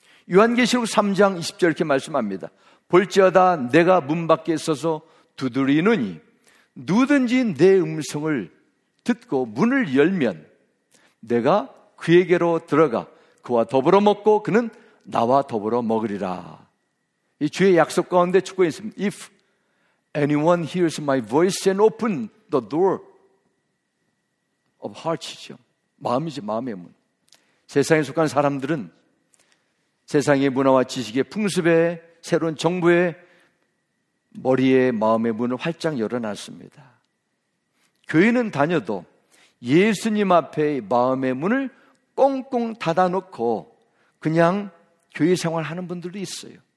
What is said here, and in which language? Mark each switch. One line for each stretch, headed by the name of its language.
Korean: 요한계시록 3장 20절 이렇게 말씀합니다. 볼지어다 내가 문 밖에 서서 두드리노니 누구든지 내 음성을 듣고 문을 열면 내가 그에게로 들어가 그와 더불어 먹고 그는 나와 더불어 먹으리라. 이 주의 약속 가운데 축복이 있습니다.
English: If anyone hears my voice and open the door of heart이죠.
Korean: 마음이지, 마음의 문. 세상에 속한 사람들은 세상의 문화와 지식의 풍습에, 새로운 정부에, 머리에, 마음의 문을 활짝 열어놨습니다. 교회는 다녀도 예수님 앞에 마음의 문을 꽁꽁 닫아놓고 그냥 교회 생활하는 분들도 있어요.